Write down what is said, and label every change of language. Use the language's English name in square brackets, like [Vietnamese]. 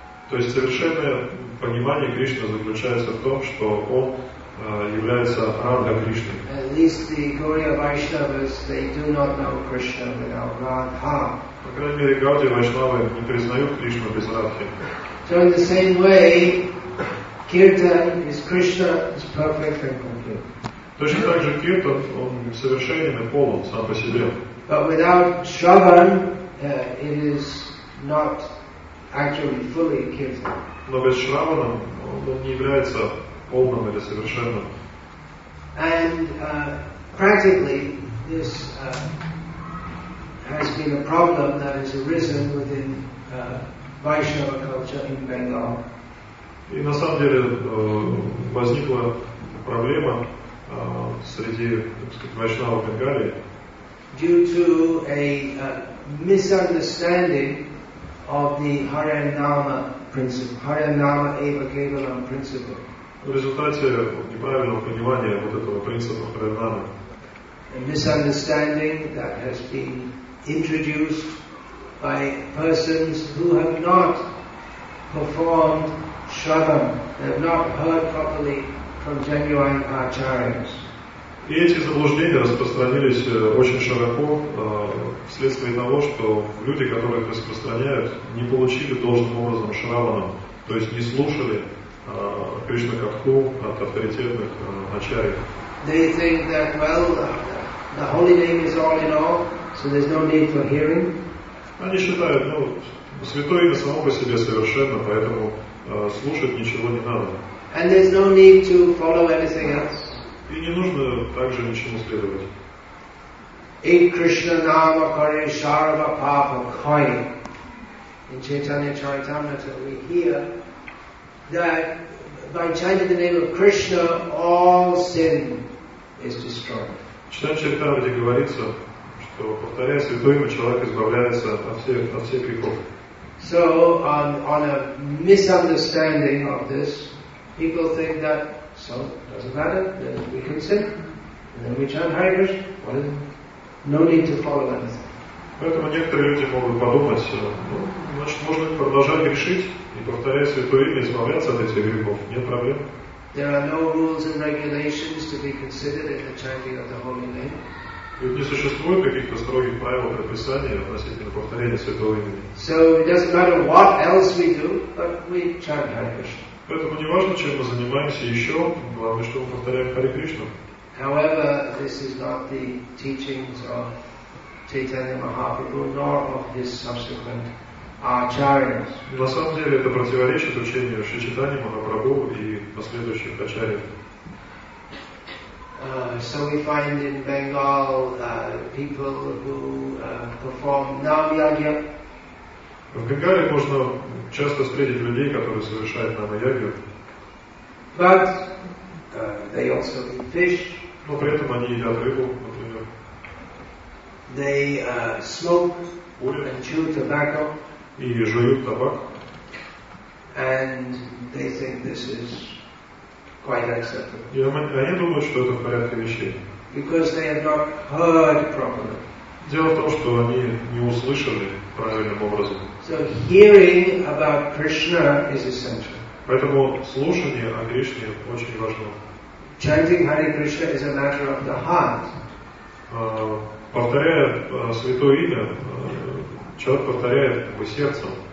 [Russian] То есть совершенное понимание Кришны заключается в том, что Он является Радха Кришной. [English] At least the Gaudiya Vaishnavas, they do not know Krishna without Radha. [Russian] По крайней мере, Гаудия Вайшнавы не признают Кришну без Радхи. [English] So in the same way, Kirtan is Krishna is perfect and complete. [Russian] Точно так же Kirtan, он совершенен и полон сам по себе. [English] But without Shravan, it is not actually fully Kirtan. [Russian] Но без Shravana он не является полным или совершенным. [English] And practically, this has been a problem that has arisen within Vaishnava culture in Bengal. [Russian] И на самом деле возникла проблема среди, так сказать, вайшнава Бенгали. [English] Due to a misunderstanding of the Hare Nama principle, Hare Nama Eva Kevalam principle. [Russian] В результате неправильного понимания вот этого принципа Hare Nama. [English] A misunderstanding that has been introduced by persons who have not performed shravan, they have not heard properly from genuine acharyas. [Russian] И эти заблуждения распространились очень широко вследствие того, что люди, которые их распространяют, не получили должным образом шраванам, то есть не слушали Кришна Катху от авторитетных ачарьев. [English] They think that, well, the holy name is all in all, so there's no need for hearing. [Russian] Они считают, ну, святое имя само по себе совершенно, поэтому слушать ничего не надо. [English] And there's no need to follow anything else. [Russian] И не нужно также ничему следовать. [Bangla] In Krishna Nama Kari Sharva Papa Khai. [English] In Chaitanya Charitamrita we hear that by chanting the name of Krishna, all sin is destroyed. [Russian] В Читании Чайтанмрите говорится, что повторяя святое имя, человек избавляется от всех грехов. [English] So on a misunderstanding of this, people think that so doesn't matter, then we can sing, and then we chant Hare Krishna. Well, no need to follow anything. [Russian] Поэтому некоторые люди могут подумать, значит, можно продолжать грешить и повторяя святое имя, избавляться от этих грехов. Нет проблем. [English] There are no rules and regulations to be considered in the chanting of the holy name. [Russian] Ведь не существует каких-то строгих правил предписания относительно повторения святого имени. [English] So it doesn't matter what else we do, but we chant Hare Krishna. [Russian] Поэтому не важно, чем мы занимаемся еще, главное, что мы повторяем Хари Кришну. [English] However, this is not the teachings of Chaitanya Mahaprabhu, nor of his subsequent acharyas. [Russian] На самом деле это противоречит учению Шри Чайтаньи Махапрабху и последующих ачарьев. [English] So we find in Bengal people who perform Nam-Yajna. [Russian] В Бенгале можно часто встретить людей, которые совершают Нам-Яджу. [English] But they also eat fish. [Russian] Но при этом они едят рыбу, например. [English] They smoke and chew tobacco. [Russian] И жуют табак. [English] And they think this is quite acceptable. [Russian] Они думают, что это в порядке вещей. [English] Because they have not heard properly. [Russian] Дело в том, что они не услышали правильным образом. [English] So hearing about Krishna is essential. [Russian] Поэтому слушание о Кришне очень важно. [English] Chanting Hare Krishna is a matter of the heart. [Russian] Повторяя святое имя, человек повторяет сердцем.